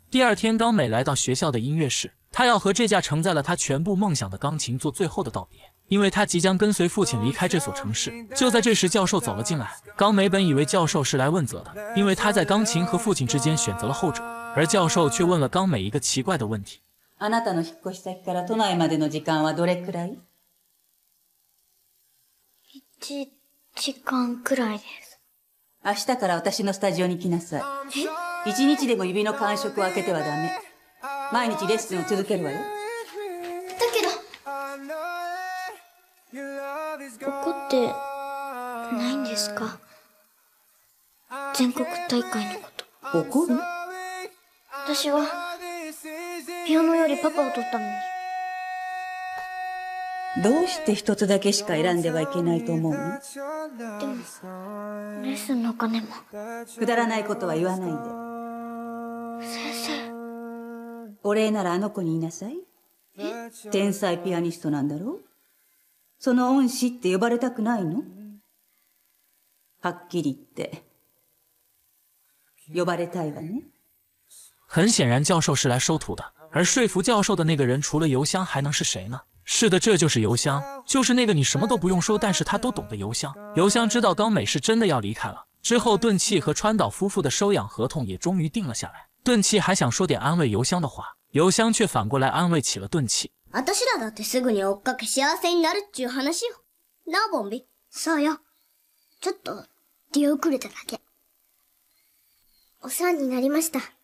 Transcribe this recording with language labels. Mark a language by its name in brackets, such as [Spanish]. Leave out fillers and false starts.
[Chinese] 第二天刚美来到学校的音乐室，她要和这架承载了她全部梦想的钢琴做最后的道别，因为她即将跟随父亲离开这所城市。就在这时教授走了进来，刚美本以为教授是来问责的，因为她在钢琴和父亲之间选择了后者，而教授却问了刚美一个奇怪的问题。 [Japanese] あなたの引っ越し先から都内までの時間はどれくらい？ 1時間くらいです。明日から私のスタジオに来なさい。え？ 1日でも指の感触を開けてはダメ。毎日レッスンを続けるわよ。だけど、怒ってないんですか？全国大会のこと。怒る？私はピアノよりパパを取ったのに。どうして一つだけしか選んではいけないと思うの？でもレッスンのお金も。くだらないことは言わないで。先生。お礼ならあの子に言いなさい。え？天才ピアニストなんだろう。その恩師って呼ばれたくないの？はっきり言って呼ばれたいわね。 [Chinese] 很显然教授是来收徒的，而说服教授的那个人除了邮箱还能是谁呢？是的，这就是邮箱，就是那个你什么都不用说但是他都懂的邮箱。邮箱知道刚美是真的要离开了，之后顿契和川岛夫妇的收养合同也终于定了下来。顿契还想说点安慰邮箱的话，邮箱却反过来安慰起了顿契。 [Japanese] 私らだってすぐに追っかけ幸せになるっていう話よ。なあボンビ。そうよ。ちょっと出遅れただけ。お世話になりました。